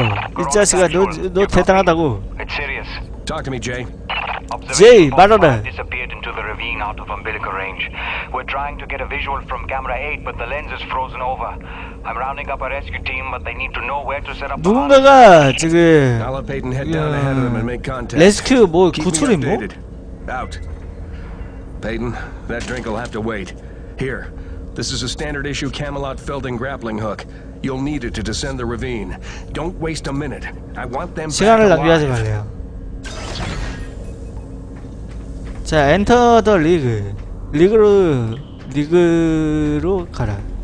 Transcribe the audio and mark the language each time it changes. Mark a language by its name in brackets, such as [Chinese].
[Korean] 이 자식아, 너 대단하다고. [English] It's serious. Talk to me, Jay. [Korean] Jay, 말하라. [English] Disappeared into the ravine out of umbilical range. We're trying to get a visual from camera 8, but the lens is frozen over. I'm rounding up a rescue team, but they need to know where to set up. [Korean] 누군가가 지금. [English] I'll have Peyton head down ahead of them and make contact. [Korean] 레스큐 뭐 구출이 뭐? [English] Out. Peyton, that drink will have to wait. Here, this is a standard issue Camelot Felding grappling hook. You'll need it to descend the ravine. Don't waste a minute. I want them back alive. [Korean] 시간을 낭비하지 말래요. 자, [English] enter the league. [Korean] 리그로 가라.